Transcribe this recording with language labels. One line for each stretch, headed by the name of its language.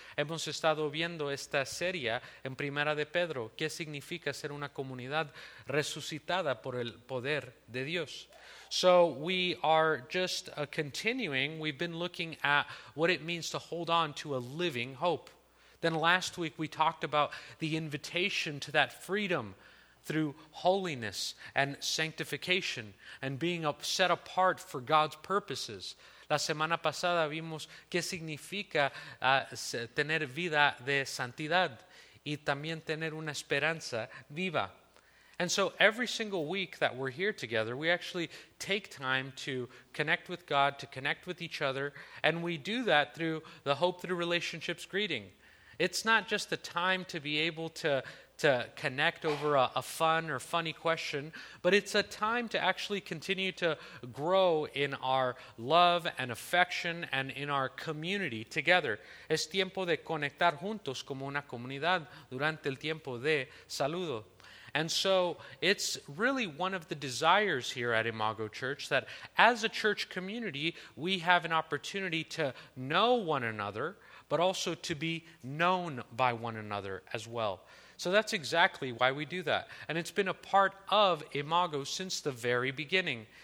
Spanish: Hemos estado viendo esta serie en Primera de Pedro, ¿qué significa ser una comunidad resucitada por el poder de Dios?
English: So we are just continuing. We've been looking at what it means to hold on to a living hope. Then last week we talked about the invitation to that freedom through holiness and sanctification and being set apart for God's purposes.
Spanish: La semana pasada vimos qué significa tener vida de santidad y también tener una esperanza viva.
English: And so every single week that we're here together, we actually take time to connect with God, to connect with each other, and we do that through the Hope Through Relationships greeting. It's not just the time to be able to connect over a fun or funny question, but it's a time to actually continue to grow in our love and affection and in our community together.
Spanish: Es tiempo de conectar juntos como una comunidad durante el tiempo de saludo.
English: And so it's really one of the desires here at Imago Church that as a church community, we have an opportunity to know one another, but also to be known by one another as well. So that's exactly why we do that. And it's been a part of Imago since the very beginning.